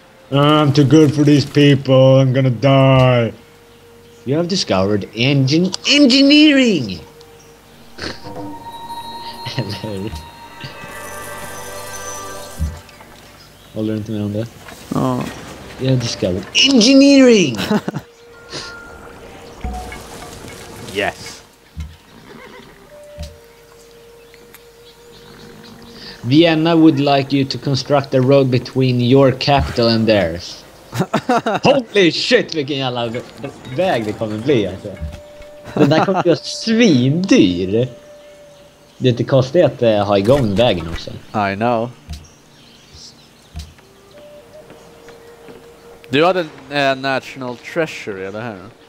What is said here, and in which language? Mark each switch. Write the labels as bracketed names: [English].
[English] I'm too good for these people, I'm gonna die. You have discovered engineering. [Swedish] Eller håller du inte med om det? Ja. Jag har [English] discovered engineering. Yes. Vienna would like you to construct a road between your capital and theirs. Holy shit, [Swedish] vilken jävla väg det kommer bli alltså. Den där kommer bli svindyr. Det är inte kostigt att ha igång vägen också. [English] I know. [Swedish] Du hade National Treasury, eller hur?